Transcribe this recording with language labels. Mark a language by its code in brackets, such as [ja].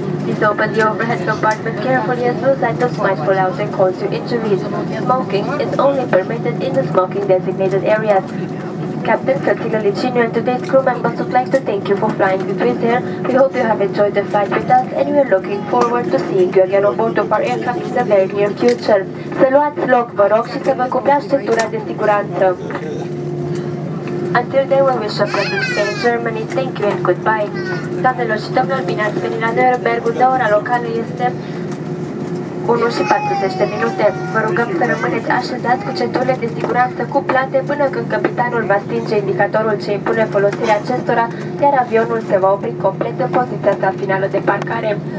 [en] Please open the overhead compartment carefully as those items might fall out and cause you injuries. Smoking is only permitted in the smoking designated areas. Captain Katina Licinio and today's crew members would like to thank you for flying with Wizz Air. We hope you have enjoyed the flight with us and we are looking forward to seeing you again on board of our aircraft in the very near future. [ro] Să luați loc, vă rog, și să vă cupeați tura de siguranță. [en] Until then, we wish you a pleasant stay in Germany. Thank you and goodbye. [ro] Doamnelor și domnilor, bine ați venit la Nuremberg. De ora locală este 1 și 40 de minute. Vă rugăm să rămâneți așezați cu centurile de siguranță cuplate până când capitanul va stinge indicatorul ce impune folosirea acestora, iar avionul se va opri complet în poziția sa finală de parcare.